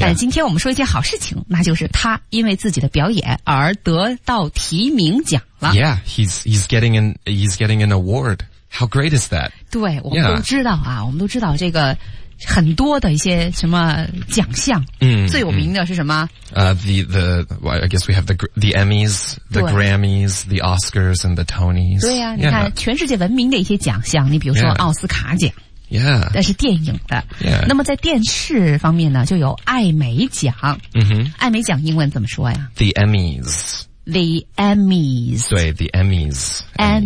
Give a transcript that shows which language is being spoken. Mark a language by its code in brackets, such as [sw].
[zh] 但今天我们说一件好事情，那就是他因为自己的表演而得到提名奖了。 [en] Yeah, he's getting an award. How great is that? [zh] 对，我们都知道啊， yeah. 我们都知道这个很多的一些什么奖项。最有名的是什么？ [en] I guess we have the Emmys, the Grammys, the Oscars, and the Tonys. [zh] 对呀、啊， yeah. 你看全世界闻名的一些奖项，你比如说奥斯卡奖。 [en] Yeah. Yeah. [zh] 但是电影的。 [en] Yeah. [zh] 那么在电视方面呢就有艾美奖。 Mm-hmm. 艾美奖英文怎么说呀 [en] ?The Emmys. The Emmys. 对 ,The Emmys. Emmys.、